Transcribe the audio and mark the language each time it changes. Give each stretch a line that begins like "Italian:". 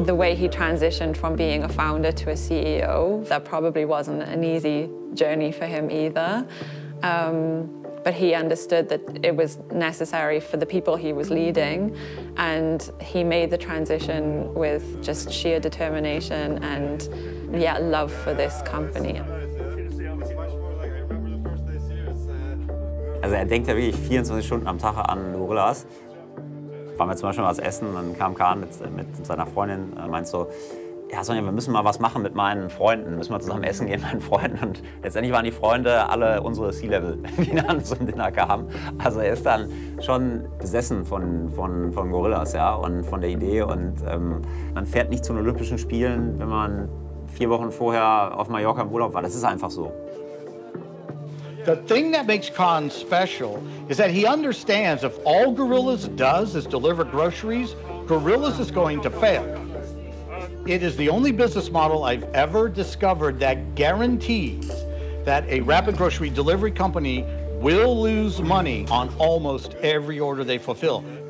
English: The way he transitioned from being a founder to a CEO, that probably wasn't an easy journey for him either. But he understood that it was necessary for the people he was leading, and he made the transition with just sheer determination and, yeah, love for this company.
German: Also er denkt ja wirklich 24 Stunden am Tag an Gorillas. Waren wir zum Beispiel mal was essen, dann kam Kahn mit seiner Freundin, meint so, ja, Sonja, wir müssen mal was machen mit meinen Freunden. Müssen wir zusammen essen gehen mit meinen Freunden. Und letztendlich waren die Freunde alle unsere C-Level, die dann zum Dinner kamen. Also er ist dann schon besessen von Gorillas, ja, und von der Idee. Und man fährt nicht zu den Olympischen Spielen, wenn man 4 Wochen vorher auf Mallorca im Urlaub war. Das ist einfach so.
English: The thing that makes Kahn special is that he understands if all Gorillas does is deliver groceries, Gorillas is going to fail. It is the only business model I've ever discovered that guarantees that a rapid grocery delivery company will lose money on almost every order they fulfill.